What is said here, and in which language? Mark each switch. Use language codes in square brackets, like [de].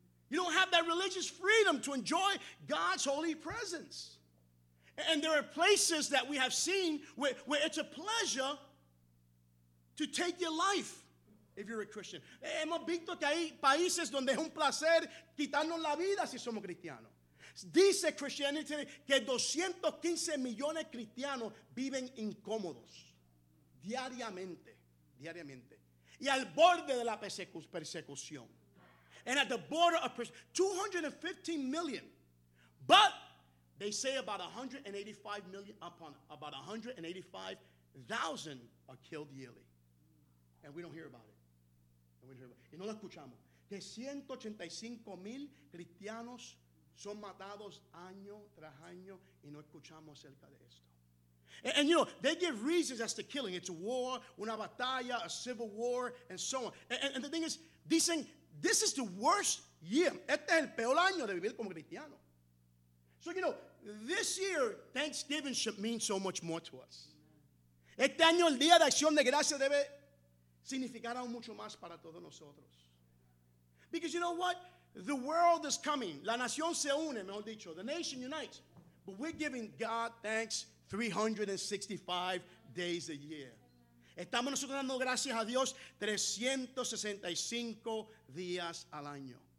[en] You don't have that religious freedom to enjoy God's holy presence. And there are places that we have seen where it's a pleasure to take your life if you're a Christian. [es] Hemos visto que hay países donde es un placer quitarnos la vida si somos cristianos. Dice Christianity que 215 millones de cristianos viven incómodos diariamente, y al borde de la persecución. [en] And at the border of persecution, 215 million. But they say about 185 million upon about 185,000 are killed yearly. And we don't hear about it. [es] Y no lo escuchamos. Que 185 mil cristianos son matados año tras año y no escuchamos acerca de esto. [en] And you know, they give reasons as to killing. It's a war, [es] una batalla, [en] a civil war, and so on. And the thing is, [es] dicen, [en] this is the worst year. [es] Este es el peor año de vivir como cristiano. [en] So you know, this year, Thanksgiving should mean so much more to us. [es] Este año, el Día de Acción de Gracias debe significará mucho más para todos nosotros. [en] Because you know what? The world is coming. [es] La nación se une, mejor dicho. [en] The nation unites. But we're giving God thanks 365 days a year. [es] Estamos nosotros dando gracias a Dios 365 días al año.